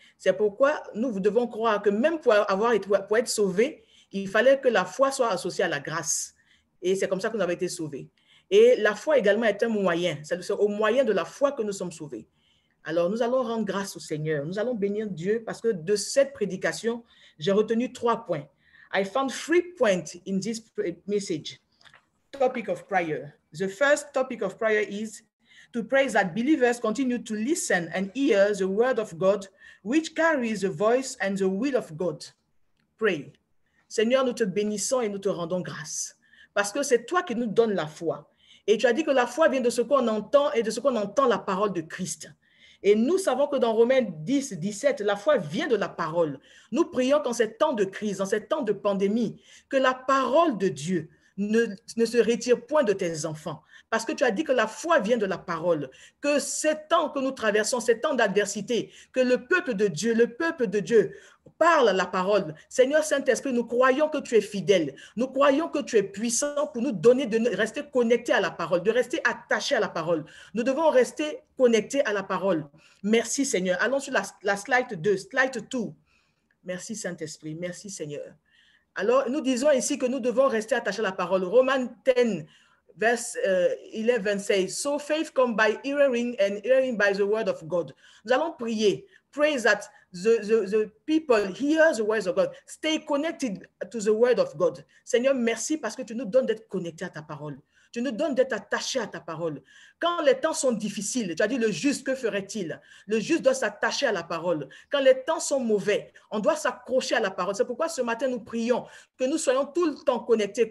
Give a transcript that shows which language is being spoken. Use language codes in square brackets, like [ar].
[fr] C'est pourquoi nous devons croire que même pour être sauvé, il fallait que la foi soit associée à la grâce. Et c'est comme ça que nous avons été sauvés. Et la foi également est un moyen. C'est au moyen de la foi que nous sommes sauvés. Alors, nous allons rendre grâce au Seigneur. Nous allons bénir Dieu parce que de cette prédication, j'ai retenu 3 points. [en] I found 3 points in this message. Topic of prayer. The first topic of prayer is to pray that believers continue to listen and hear the word of God, which carries the voice and the will of God. Pray. [fr] Seigneur, nous te bénissons et nous te rendons grâce. Parce que c'est toi qui nous donnes la foi. Et tu as dit que la foi vient de ce qu'on entend et de ce qu'on entend la parole de Christ. Et nous savons que dans Romains 10, 17, la foi vient de la parole. Nous prions qu'en ces temps de crise, en ces temps de pandémie, que la parole de Dieu ne se retire point de tes enfants. Parce que tu as dit que la foi vient de la parole, que ces temps que nous traversons, ces temps d'adversité, que le peuple de Dieu parle la parole. Seigneur Saint-Esprit, nous croyons que tu es fidèle. Nous croyons que tu es puissant pour nous donner de rester connectés à la parole, de rester attachés à la parole. Nous devons rester connectés à la parole. Merci Seigneur. Allons sur la slide 2, slide 2. Merci Saint-Esprit, merci Seigneur. Alors, nous disons ici que nous devons rester attachés à la parole. [en] Romains 10, verse 11 says, so faith comes by hearing and hearing by the word of God. [fr] Nous allons prier. [en] Pray that the people hear the words of God. Stay connected to the word of God. [fr] Seigneur, merci parce que tu nous donnes d'être connectés à ta parole. Tu nous donnes d'être attachés à ta parole. Quand les temps sont difficiles, tu as dit le juste, que ferait-il? Le juste doit s'attacher à la parole. Quand les temps sont mauvais, on doit s'accrocher à la parole. C'est pourquoi ce matin, nous prions que nous soyons tout le temps connectés.